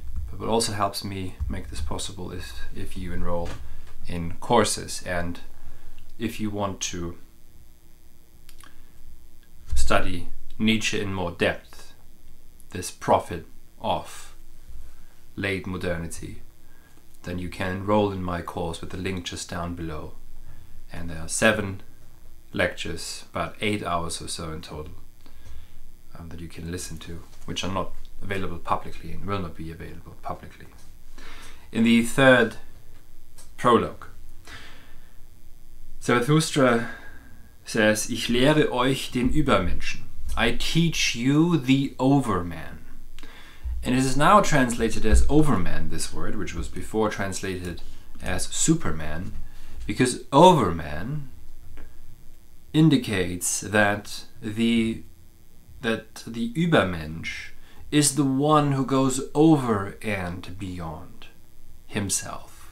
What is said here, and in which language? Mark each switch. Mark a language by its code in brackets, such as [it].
[en] But what also helps me make this possible is if you enroll in courses, and if you want to study Nietzsche in more depth, this prophet of late modernity, then you can enroll in my course with the link just down below. And there are 7 lectures, about 8 hours or so in total, that you can listen to, which are not available publicly and will not be available publicly. In the third prologue, Zarathustra says, [de] Ich lehre euch den Übermenschen. [en] I teach you the overman. And it is now translated as overman, this word, which was before translated as superman, because overman indicates that the Übermensch is the one who goes over and beyond himself.